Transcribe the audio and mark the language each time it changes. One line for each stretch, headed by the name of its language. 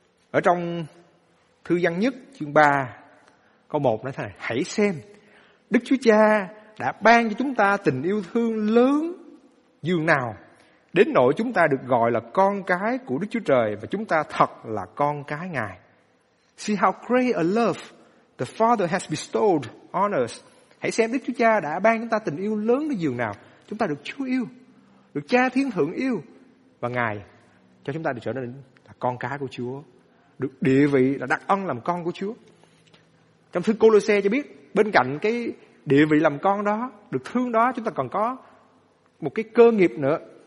Vietnamese: Ở trong thư Giăng nhất chương 3 câu 1 nói thế này: hãy xem Đức Chúa Cha đã ban cho chúng ta tình yêu thương lớn dường nào, đến nỗi chúng ta được gọi là con cái của Đức Chúa Trời, và chúng ta thật là con cái Ngài.
English: See how great a love the Father has bestowed on us.
Vietnamese: Hãy xem Đức Chúa Cha đã ban chúng ta tình yêu lớn đến dường nào. Chúng ta được Chúa yêu, được Cha Thiên Thượng yêu, và Ngài cho chúng ta được trở nên là con cái của Chúa, được địa vị là đặc ân làm con của Chúa. Trong thư Côlôse cho biết, bên cạnh cái địa vị làm con đó, được thương đó, chúng ta còn có một cái cơ nghiệp nữa.